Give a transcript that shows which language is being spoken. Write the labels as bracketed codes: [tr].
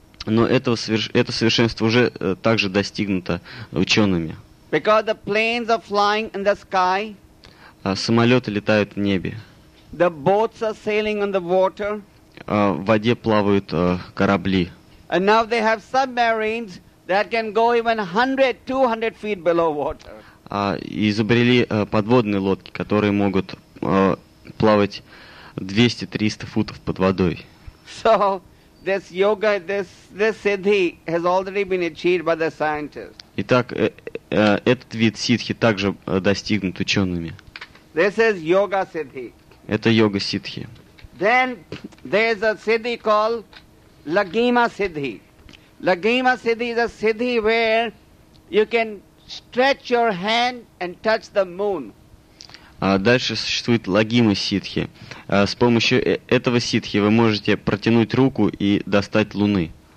[ru] Но это совершенство уже также достигнуто учеными. [en] Because the planes are flying in the sky. [ru] Самолеты летают в небе. [en] The boats are sailing on the water. [ru] В воде плавают корабли. [en] And now they have submarines that can go even 100, 200 feet below water. [ru] Изобрели подводные лодки, которые могут плавать 200-300 футов под водой. [en] So this yoga, this siddhi has already been achieved by the scientists. [ru] Итак, этот вид сиддхи также достигнут учеными. [en] This is yoga siddhi. [ru] Это йога сиддхи. [en] Then there is a siddhi called lagima siddhi. Lagima siddhi is a siddhi where you can stretch your hand and touch the moon. [ru] Дальше существует лагима ситхи. С помощью этого ситхи вы можете протянуть руку и достать луны.